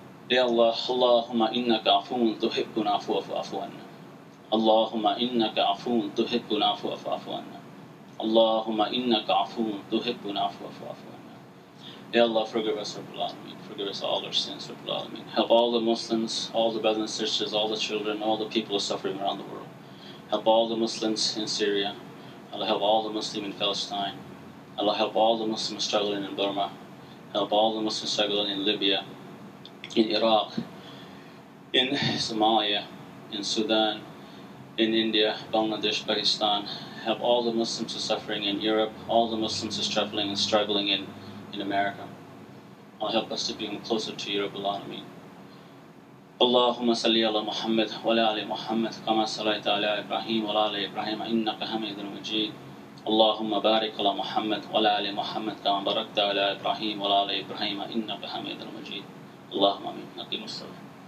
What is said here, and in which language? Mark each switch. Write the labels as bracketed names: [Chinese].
[Arabic] يا الله اللهم إنك عفو تحب العفو فاعف عنا. اللهم إنك عفو تحب العفو فاعف عنا. اللهم إنك عفو تحب العفو فاعف عنا. يا الله [English] forgive us [Arabic] رب العالمين. [English] Forgive us all our sins [Arabic] رب العالمين. [English] Help all the Muslims, all the brothers and sisters, all the children, all the people suffering around the world. Help all the Muslims in Syria. Allah help all the Muslims in Palestine. Allah help all the Muslims struggling in Burma. Help all the Muslims struggling in Libya, in Iraq, in Somalia, in Sudan, in India, Bangladesh, Pakistan. Help all the Muslims who are suffering in Europe. All the Muslims who are struggling and struggling in America. Allah help us to be closer to you, Rabbul Alameen. [Arabic] اللهم صل على محمد وعلى آل محمد كما صليت على إبراهيم وعلى آل إبراهيم إنك حميد مجيد اللهم بارك على محمد وعلى آل محمد كما باركت على إبراهيم وعلى آل إبراهيم إنك حميد مجيد اللهم آمين نقيم الصلاة